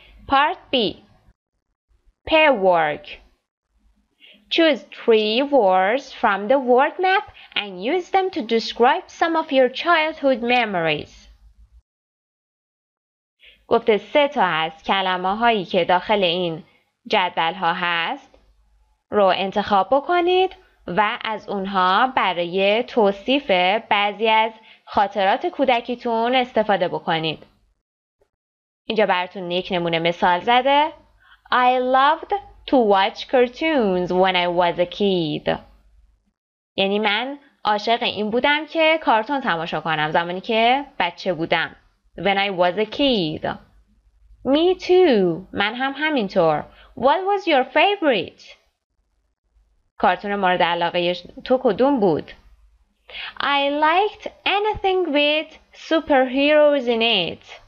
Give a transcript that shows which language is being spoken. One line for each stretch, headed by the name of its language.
English: part b pair work choose three words from the word map and use them to describe some of your childhood memories
Persian: گفته سه تا از کلمه هایی که داخل این جدول ها هست رو انتخاب بکنید و از اونها برای توصیف بعضی از خاطرات کودکیتون استفاده بکنید. اینجا براتون یک نمونه مثال زده.
English: I loved to watch cartoons when I was a kid.
Persian: یعنی من عاشق این بودم که کارتون تماشا کنم زمانی که بچه بودم.
English: When I was a kid. Me too.
Persian: من هم همینطور.
English: What was your favorite?
Persian: کارتون مورد علاقه تو کدوم بود؟
English: I liked anything with superheroes in it.